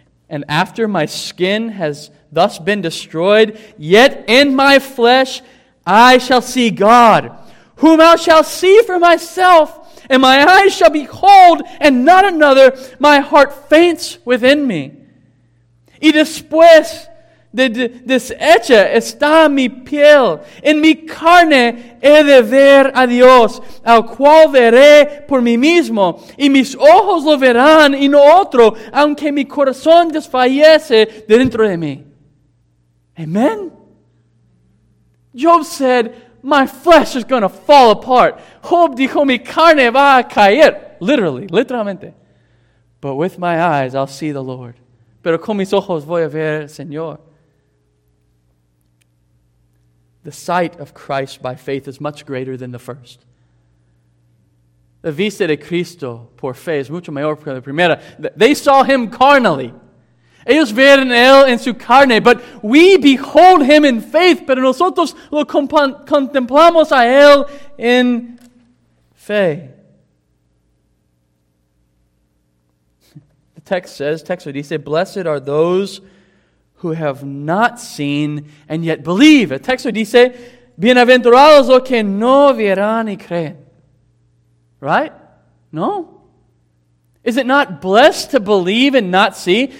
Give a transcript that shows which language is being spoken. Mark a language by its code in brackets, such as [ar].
[en] And after my skin has thus been destroyed, yet in my flesh I shall see God, whom I shall see for myself, and my eyes shall behold, and not another. My heart faints within me. [es] Y después de deshecha está mi piel, en mi carne he de ver a Dios, al cual veré por mí mismo, y mis ojos lo verán, y no otro, aunque mi corazón desfallece dentro de mí. [en] Amen. Job said, my flesh is going to fall apart. [es] Job dijo, mi carne va a caer. [en] Literally, [es] literalmente. [en] But with my eyes, I'll see the Lord. [es] Pero con mis ojos voy a ver al Señor. [en] The sight of Christ by faith is much greater than the first. [es] La vista de Cristo por fe es mucho mayor que la primera. [en] They saw him carnally. [es] Ellos vieron él en su carne, [en] but we behold him in faith, [es] pero nosotros lo contemplamos a él en fe. [en] The text says, [es] texto dice, [en] blessed are those who have not seen and yet believe. [es] El texto dice, bienaventurados los que no vieron y creen. [en] Right? No? Is it not blessed to believe and not see?